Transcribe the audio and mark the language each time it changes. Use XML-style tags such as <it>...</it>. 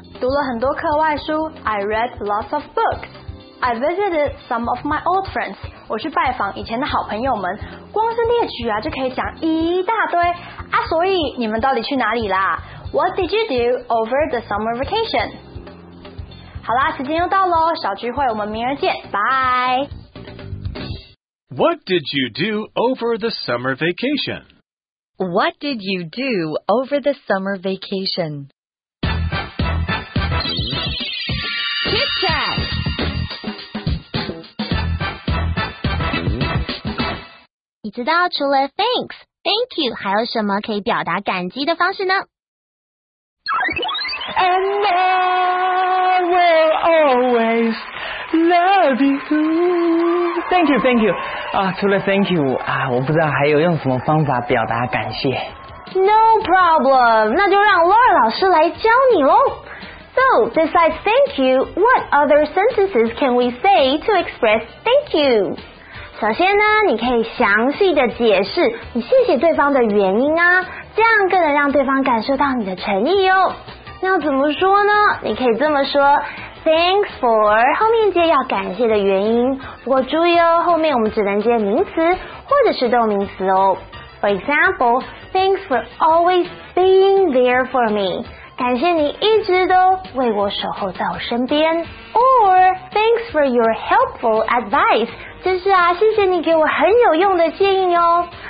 <zh>读了很多课外书</zh> <en>，I read lots of books. I visited some of my old friends.</en> <zh>我去拜访以前的好朋友们。光是列举啊，就可以讲一大堆啊。所以你们到底去哪里啦</zh> <en>？What did you do over the summer vacation?</en> <zh>好啦，时间又到喽，小聚会我们明儿见，拜。</zh> <en>What did you do over the summer vacation? What did you do over the summer vacation? Chit chat.</en> <zh>You 知道除了 thanks, thank you 还有什么可以表达感激的方式呢？</zh> <en>And I will always love you. Thank you, thank you.</en> <zh>啊，除了 thank you 啊，我不知道还有用什么方法表达感谢。</zh> <en>No problem.</en> <zh>那就让 Laura 老师来教你喽。</zh> <en>So, besides thank you, what other sentences can we say to express thank you?</en> <zh>首先呢，你可以详细的解释你谢谢对方的原因啊，这样更能让对方感受到你的诚意哦。那怎么说呢？你可以这么说 ，thanks for 后面接要感谢的原因。不过注意哦，后面我们只能接名词或者是动名词哦。</zh> <en>For example, thanks for always being there for me.</en> <zh>感谢你一直都为我守候在我身边。</zh> <en>Or thanks for your helpful advice.</en> <zh>就是啊，谢谢你给我很有用的建议哦。</zh>